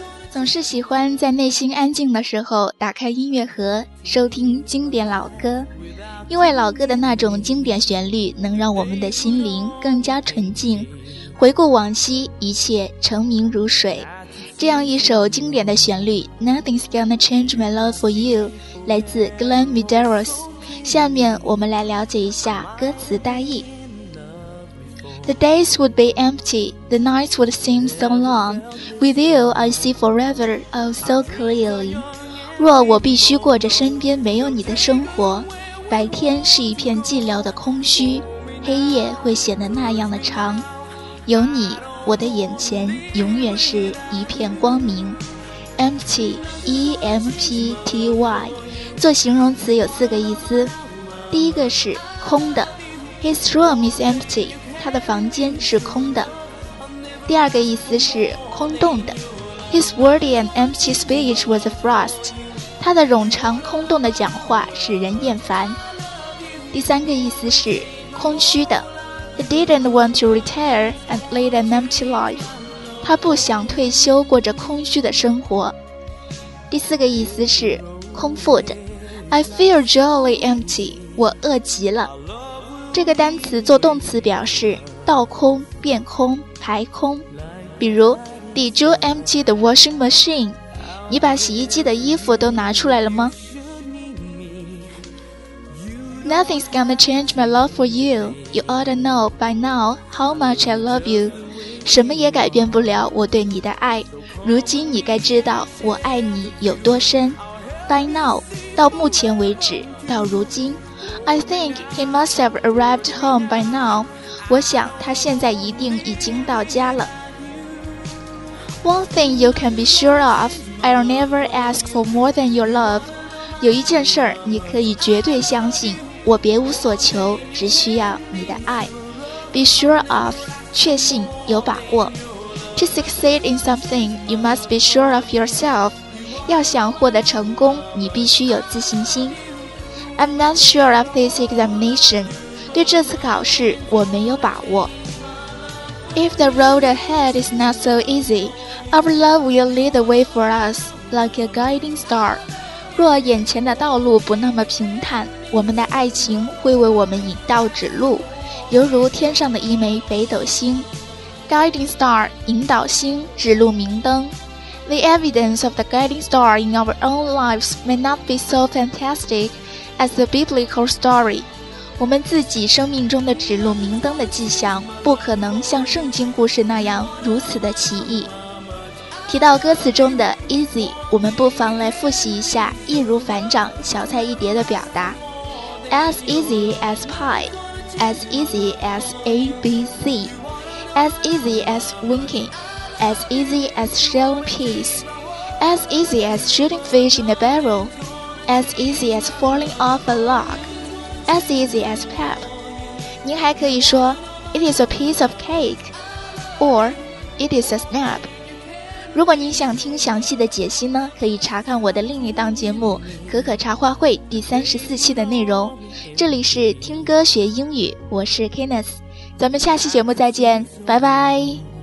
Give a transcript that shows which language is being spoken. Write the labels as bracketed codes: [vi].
[zh] 总是喜欢在内心安静的时候打开音乐盒，收听经典老歌，因为老歌的那种经典旋律能让我们的心灵更加纯净，回顾往昔，一切澄明如水。这样一首经典的旋律 Nothing's Gonna Change My Love For You 来自 Glenn Medeiros。下面我们来了解一下歌词大意。 [en] The days would be empty, the nights would seem so long, with you I see forever, oh so clearly. [zh] 若我必须过着身边没有你的生活，白天是一片寂寥的空虚，黑夜会显得那样的长，有你我的眼前永远是一片光明。 Empty, E-M-P-T-Y 做形容词有四个意思，第一个是空的， [en] His room is empty, [zh] 他的房间是空的。第二个意思是空洞的， [en] His wordy and empty speech was a frost, [zh] 他的冗长空洞的讲话使人厌烦。第三个意思是空虚的， [en] He didn't want to retire and lead an empty life. [zh] 他不想退休过着空虚的生活。第四个意思是空腹的， [en] I feel jolly empty. [zh] 我饿极了。这个单词做动词表示倒空、变空、排空。 [en] 比如 Did you empty the washing machine? [zh] 你把洗衣机的衣服都拿出来了吗？ [en] Nothing's gonna change my love for you. You ought to know by now how much I love you. [zh] 什么也改变不了我对你的爱，如今你该知道我爱你有多深。 By now, 到目前为止，到如今。 [en] I think he must have arrived home by now. [zh] 我想他现在一定已经到家了。 [en] One thing you can be sure of, I'll never ask for more than your love. [zh] 有一件事你可以绝对相信，我别无所求，只需要你的爱。 [en] Be sure of, [zh] 确信，有把握。 [en] To succeed in something, you must be sure of yourself. [zh] 要想获得成功，你必须有自信心。 [en] I'm not sure of this examination. [zh] 对这次考试，我没有把握。 [en] If the road ahead is not so easy, our love will lead the way for us, like a guiding star. [zh] 若眼前的道路不那么平坦，我们的爱情会为我们引道指路，犹如天上的一枚北斗星。 Guiding star, 引导星，指路明灯。 [en] The evidence of the guiding star in our own lives may not be so fantastic as the biblical story. [zh] 我们自己生命中的指路明灯的迹象不可能像圣经故事那样如此的奇异。提到歌词中的 easy, 我们不妨来复习一下易如反掌、小菜一碟的表达。 [en] As easy as pie, as easy as ABC, as easy as winking, as easy as shelling peas, as easy as shooting fish in a barrel, as easy as falling off a log, as easy as pep. [zh] 您还可以说 [en] It is a piece of cake, or It is a snap. [zh] 如果您想听详细的解析呢，可以查看我的另一档节目《可可茶话会》第34期的内容。这里是听歌学英语，我是 Kenneth， 咱们下期节目再见，拜拜。